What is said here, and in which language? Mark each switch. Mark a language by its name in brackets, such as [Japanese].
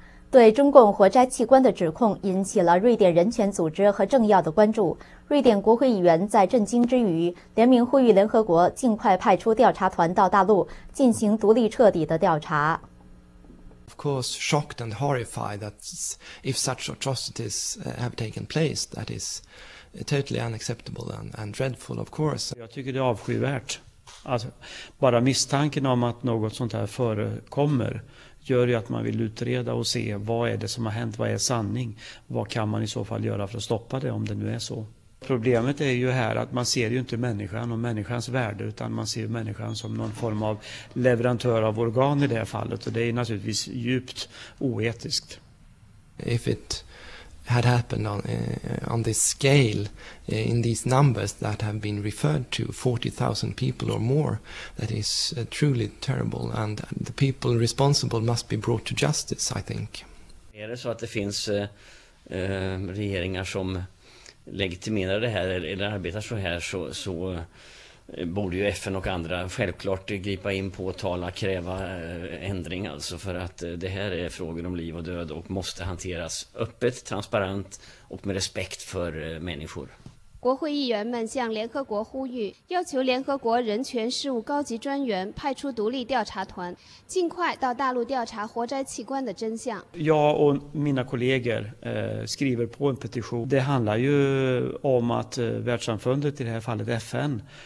[Chinese] 对中共活摘器官的指控引起了瑞典人权组织和政要的关注。瑞典国会议员在震惊之余，联名呼吁联合国尽快派出调查团到大陆进行独立彻底的调查。 [English] Of course, shocked and horrified that if such atrocities have taken place, that is totally unacceptable and dreadful, of course. [Chinese] 我觉得这是avskyvärt. [Swedish] Bara misstanken om att något sånt här förekommer. Gör ju att man vill utreda och se vad är det som har hänt, vad är sanning, vad kan man i så fall göra för att stoppa det om det nu är så. Problemet är ju här att man ser ju inte människan och människans värde utan man ser människan som någon form av leverantör av organ i det här fallet och det är naturligtvis djupt oetiskt. [English] If it had happened on this scale, in these numbers that have been referred to, 40,000 people or more, that is truly terrible, and the people responsible must be brought to justice, I think. [Swedish] Är det så att det finns regeringar som legitimerar det här eller arbetar så här, så borde ju FN och andra självklart gripa in, påtala, kräva ändring, alltså, för att det här är frågor om liv och död och måste hanteras öppet, transparent och med respekt för människor. [Chinese] 国会议员们向联合国呼吁，要求联合国人权事务高级专员派出独立调查团，尽快到大陆调查活摘器官的真相。 [Swedish] Jag och mina kollegor skriver på en petition. Det handlar ju om att världssamfundet, i det här fallet FN.